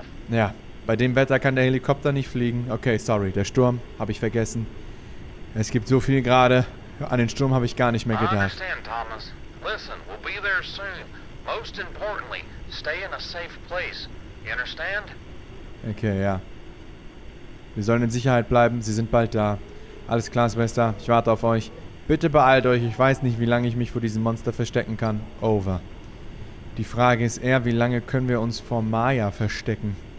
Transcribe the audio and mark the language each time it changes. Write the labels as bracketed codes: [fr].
[de] Ja, bei dem Wetter kann der Helikopter nicht fliegen. Okay, sorry, der Sturm, habe ich vergessen. Es gibt so viel gerade. An den Sturm habe ich gar nicht mehr gedacht. Ich verstehe, Thomas. [en] Listen, we'll be there soon. Most importantly, stay in a safe place. You understand? [de] Okay, ja. Wir sollen in Sicherheit bleiben. Sie sind bald da. Alles klar, Schwester. Ich warte auf euch. Bitte beeilt euch. Ich weiß nicht, wie lange ich mich vor diesem Monster verstecken kann. Over. Die Frage ist eher, wie lange können wir uns vor Maya verstecken?